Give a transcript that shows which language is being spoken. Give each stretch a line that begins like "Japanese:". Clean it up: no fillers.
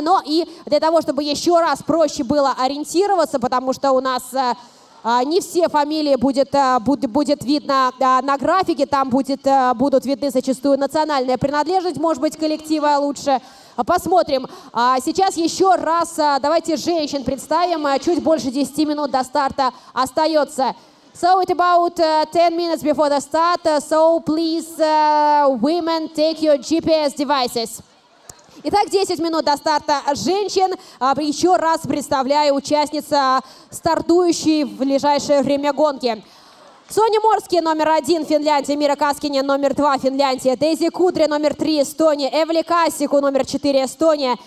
Russian: Но и для того, чтобы еще раз проще было ориентироваться, потому что у нас не все фамилии будет видно на графике, там будут видны зачастую национальная принадлежность, может быть, коллектива лучше. Посмотрим. Сейчас еще раз давайте женщин представим. Чуть больше 10 минут до старта остается.
English: So it's about 10 minutes before the start, so please, women, take your GPS devices.
Russian: Итак, 10 минут до старта женщин. Еще раз представляю участницу, стартующей в ближайшее время гонки. Соня Морски, номер 1, Финляндия. Мира Каскиня, номер 2, Финляндия. Дейзи Кудри, номер 3, Эстония. Эвли Кассику, номер 4, Эстония.